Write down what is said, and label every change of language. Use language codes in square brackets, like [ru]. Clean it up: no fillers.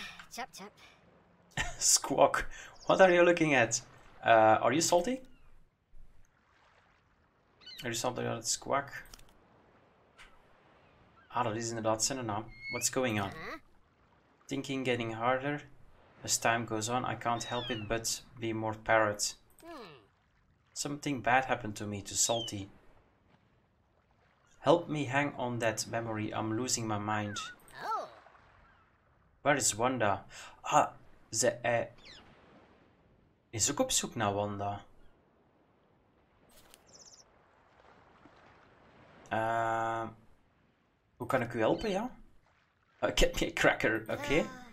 [en] Chap, chap. Squawk, what are you looking at? Are you salty? Are you salty at Squawk? [nl] Ah, dat is inderdaad zijn naam. [en] What's going on? Thinking getting harder as time goes on. I can't help it but be more parrot. Something bad happened to me, to Salty. Help me hang on that memory, I'm losing my mind. Oh. Where is Wanda? [nl] Ah, ze is ook op zoek naar Wanda. Hoe kan ik u helpen, ja? [en] Get me a cracker, [nl] oké.